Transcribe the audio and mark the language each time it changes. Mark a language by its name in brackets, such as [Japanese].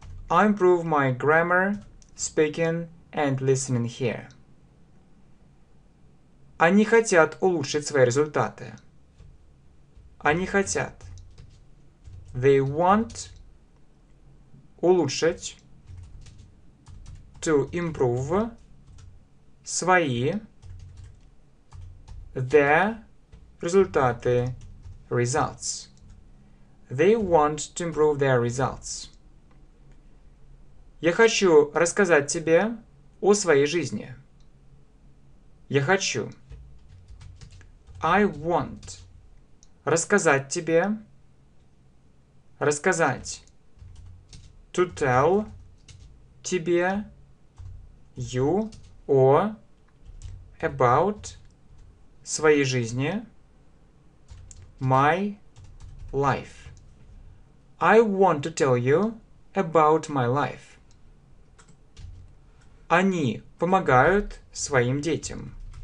[English] I improve my grammar, speaking and listening here. [Russian] Они хотят улучшить свои результаты. Они хотят. [English] They want [Russian] улучшить [English] to improve [Russian] свои [English] their [Russian] результаты [English] results. They want to improve their results. [Russian] Я хочу рассказать тебе о своей жизни. Я хочу. [English] I want [Russian] рассказать тебе. Рассказать. [English] To tell [Russian] тебе. [English] You or about [Russian] своей жизни. [English] My life. I want to tell you about my life. [Russian] Они помогают своим детям.